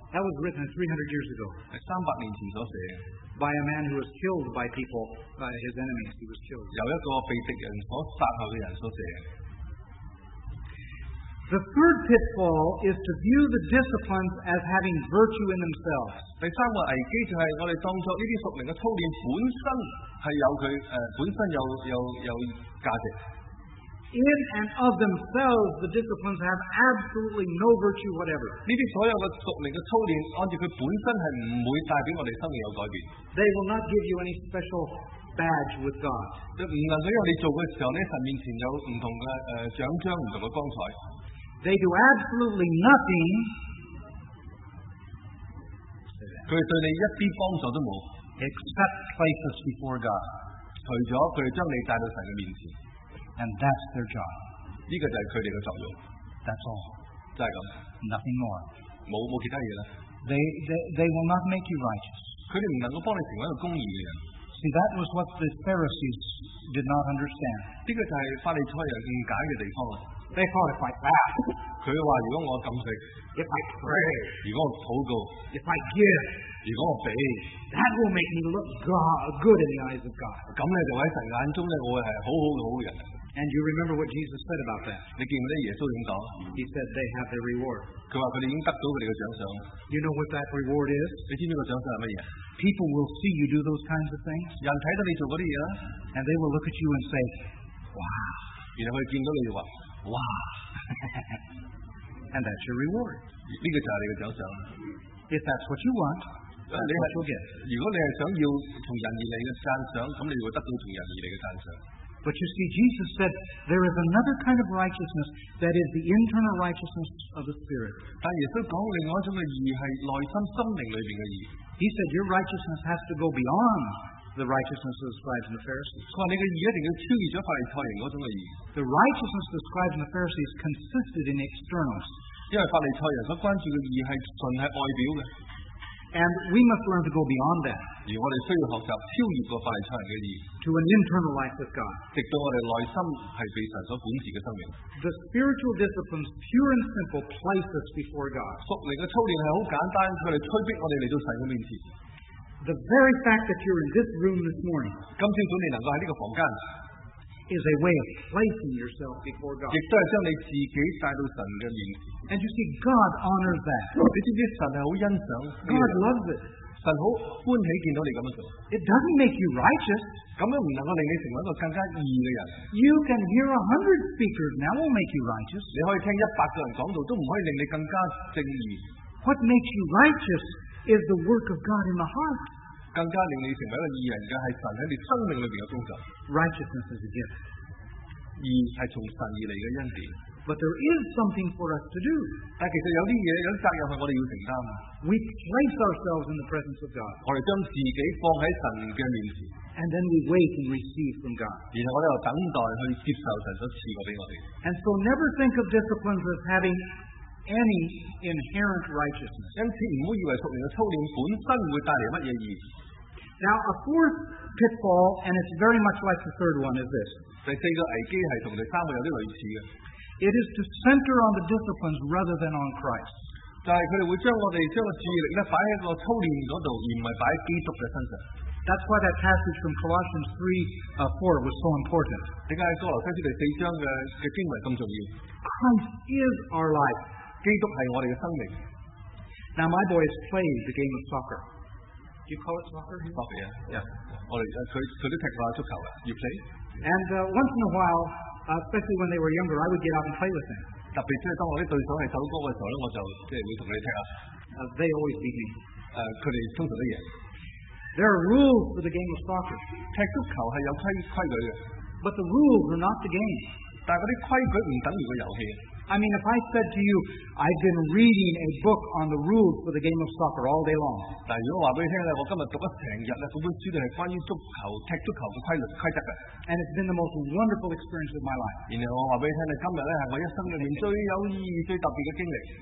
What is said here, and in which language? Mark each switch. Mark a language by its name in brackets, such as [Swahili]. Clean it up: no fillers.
[English] That was written 300 years ago, [Cantonese] 係300年前所寫嘅。 [English] By a man who was killed by people, by his enemies, he was killed. [Cantonese] 有一個被敵人所殺害嘅人所寫嘅。 [English] The third pitfall is to view the disciplines as having virtue in themselves. [Cantonese] 第三個危機就係我哋當作呢啲屬靈嘅操練本身係有佢本身有價值。 [English] In and of themselves, the disciplines have absolutely no virtue whatever. [Cantonese] 呢啲所有嘅屬靈嘅操練，按照佢本身係唔會帶俾我哋生命有改變。 [English] They will not give you any special badge with God. [Cantonese] 唔能夠讓你做嘅時候咧，神面前有唔同嘅獎章、唔同嘅光彩。 [English] They do absolutely nothing. [Cantonese] 佢對你一啲幫助都冇。 [English] Except place us before God. [Cantonese] 除咗佢將你帶到神嘅面前。 [English] And that's their job. [Cantonese] 呢个就系佢哋嘅作用。 [English] That's all. [Cantonese] 就系咁。 [English] Nothing more. [Cantonese] 冇其他嘢啦。 [English] They will not make you righteous. [Cantonese] 佢哋唔能够帮你成为一个公义嘅人。 [English] See, that was what the Pharisees did not understand. [Cantonese] 呢个就系法利赛人误解嘅地方啦。 [English] They thought if I fast. [Cantonese] 佢话如果我禁食。 [English] If I pray. [Cantonese] 如果我祷告。 [English] If I give. [Cantonese] 如果我俾。 [English] That will make me look good in the eyes of God. [Cantonese] 咁咧就喺神眼中咧，我会系好好嘅好人。 [English] And you remember what Jesus said about that? [Cantonese] 你記唔記得耶穌點講？ [English] He said they have their reward. [Cantonese] 佢話佢哋已經得到佢哋嘅獎賞。 [English] You know what that reward is? [Cantonese] 你知唔知個獎賞係乜嘢？ [English] People will see you do those kinds of things. [Cantonese] 人睇到你做嗰啲嘢啦。 [English] And they will look at you and say, Wow. [Cantonese] 然後佢見到你就話， Wow. [English] And that's your reward. [Cantonese] 呢個就係你嘅獎賞。 [English] If that's what you want, that's what you'll get. [Cantonese] 如果你係想要從人而嚟嘅讚賞，咁你就會得到從人而嚟嘅讚賞。 [English] But you see, Jesus said there is another kind of righteousness that is the internal righteousness of the Spirit. [Cantonese] 但耶稣讲另外一种嘅义系内心心灵里边嘅义。 [English] He said your righteousness has to go beyond the righteousness of the scribes and the Pharisees. [Cantonese] 佢话你嘅义一定要超越咗法利赛人嗰种嘅义。 [English] The righteousness of the scribes and the Pharisees consisted in externals. [Cantonese] 因为法利赛人所关注嘅义系纯系外表嘅。 [English] And we must learn to go beyond that. [Cantonese] 而我哋需要学习超越个快餐嘅意义。 [English] To an internal life with God. [Cantonese] 直到我哋内心系被神所管治嘅生命。 [English] The spiritual disciplines, pure and simple, place us before God. [Cantonese] 属灵嘅操练系好简单，佢哋催逼我哋嚟到神嘅面前。 [English] The very fact that you're in this room this morning. [Cantonese] 今朝早你能够喺呢个房间。 [English] Is a way of placing yourself before God. [Cantonese] 亦都系将你自己带到神嘅面前。 [English] And you see, God honors that. [Cantonese] 你知唔知神系好欣赏？ [English] God loves it. [Cantonese] 神好欢喜见到你咁样做。 [English] It doesn't make you righteous. [Cantonese] 咁样唔能够令你成为一个更加义嘅人。 [English] You can hear 100 speakers, that won't make you righteous. [Cantonese] 你可以听100个人讲道，都唔可以令你更加正义。 [English] What makes you righteous is the work of God in the heart. [Cantonese] 更加令你成为一个义人嘅系神喺你生命里边嘅工作。 [English] Righteousness is a gift， [Cantonese] 义系从神而嚟嘅恩典。 [English] But there is something for us to do。 [Cantonese] 但其实有啲嘢，有啲责任系我哋要承担。 [English] We place ourselves in the presence of God。 [Cantonese] 我哋将自己放喺神嘅面前。 [English] And then we wait and receive from God。 [Cantonese] 然后我哋又等待去接受神所赐过俾我哋。 [English] And so never think of disciplines as having any inherent righteousness。 [Cantonese] 因此唔好以为属灵嘅操练本身会带嚟乜嘢义。 [English] Now, a fourth pitfall, and it's very much like the third one, is this. [Cantonese] 第四个危机系同第三个有啲类似嘅。 [English] It is to center on the disciplines rather than on Christ. [Cantonese] 就系佢哋会将我哋将个注意力咧摆喺个操练嗰度，而唔系摆喺基督嘅身上。 [English] That's why that passage from Colossians 3:4 was so important. [Cantonese] 点解哥罗西书第四章嘅经文咁重要 [English] ？Christ is our life. [Cantonese] 基督系我哋嘅生命。 [English] Now, my boy is playing the game of soccer. Do you call it soccer? Soccer, yeah. Oh, yeah. Yeah. So they take a lot of soccer. You play? And once in a while, especially when they were younger, I would get out and play with them. [Cantonese] 特別即係當我啲對手係首歌嘅時候，我就即係會同佢哋踢啊。 [English] They always beat me. [Cantonese] 佢哋通常都贏。 [English] There are rules for the game of soccer. [Cantonese] 踢足球係有規矩嘅。 [English] But the rules are not the game. [Cantonese] 但係嗰啲規矩唔等於個遊戲。 [English] I mean, if I said to you, I've been reading a book on the rules for the game of soccer all day long. [Cantonese] 但如果话俾你听咧，我今日读咗成日咧，嗰本书就系关于足球、踢足球嘅规律、规则嘅。 [English] And it's been the most wonderful experience of my life. [Cantonese] 然后我话俾你听咧，今日咧系我一生里面最有意义、最特别嘅经历。